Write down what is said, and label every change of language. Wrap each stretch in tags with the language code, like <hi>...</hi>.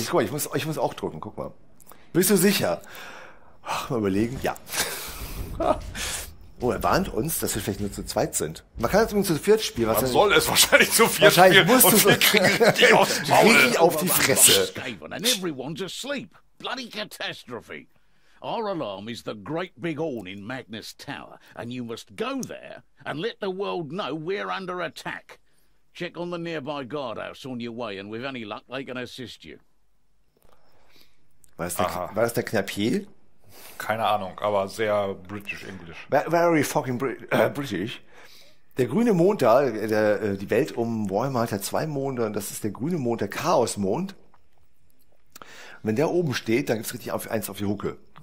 <de>guck mal, ich muss auch drücken, guck mal. Bist du sicher? Ach, mal überlegen, ja. Oh, er warnt uns, dass wir vielleicht nur zu zweit sind. Man kann jetzt übrigens zu viert spielen. Was man soll es wahrscheinlich zu viert spielen. Wahrscheinlich musst du so richtig auf die Fresse.</de> <en>And everyone's asleep. Bloody catastrophe. Our alarm is the great big horn in Magnus Tower, and you must go there and let the world know we're under attack. Check on the nearby guardhouse on your way, and with any luck, they can assist you.</en> <de>War das der Knappier? Keine Ahnung, aber sehr British-English.</de> <en>Very fucking British.</en> <de>Der grüne Mond da, die Welt um Warhammer hat ja zwei Monde, und das ist der grüne Mond, der Chaos-Mond. Wenn der oben steht, dann gibt's richtig eins auf die Hucke.</de>